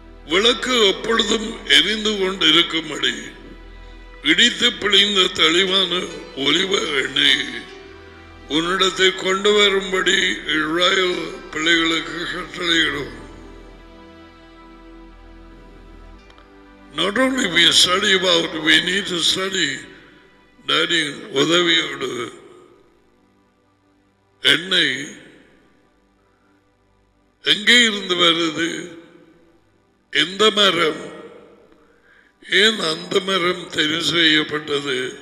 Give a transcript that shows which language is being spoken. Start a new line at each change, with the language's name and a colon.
Tamil: விளக்கு எப்பொழுதும் எரிந்து கொண்டு இருக்கும்படி இடித்து பிழிந்த தெளிவான ஒலிவ எண்ணெய் உன்னிடத்தை கொண்டு வரும்படி இஸ்ரவேல் பிள்ளைகளுக்கு கட்டளையிடும்.
English: Not only we study about, we need to study.
Tamil: Daddy, உதவியோடு எண்ணெய் எங்கே இருந்து வருது, எந்த மரம், ஏன் அந்த மரம் தெரிவு செய்யப்பட்டது,